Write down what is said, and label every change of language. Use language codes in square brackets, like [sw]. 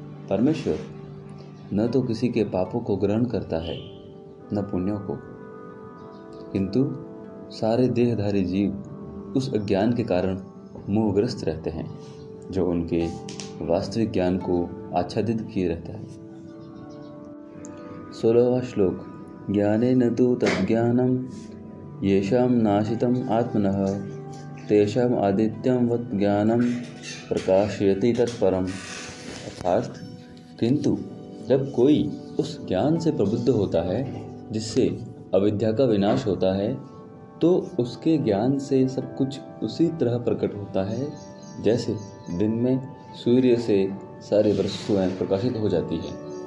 [hi] परमेश्वर न तो किसी के पापों को ग्रहण करता है न पुण्यों को किंतु सारे देहधारी जीव उस अज्ञान के कारण मोहग्रस्त रहते हैं जो उनके वास्तविक ज्ञान को आच्छादित किए रहता है। सोलहवां श्लोक। [sa] ज्ञाने न तु तद्ज्ञानम येषां नाशितम आत्मनः तेषां आदित्यं वत् ज्ञानम प्रकाशयति तत्परम्। [hi] अर्थात किंतु जब कोई उस ज्ञान से प्रबुद्ध होता है जिससे अविद्या का विनाश होता है तो उसके ज्ञान से सब कुछ उसी तरह प्रकट होता है जैसे दिन में सूर्य से सारी वस्तुएं प्रकाशित हो जाती है।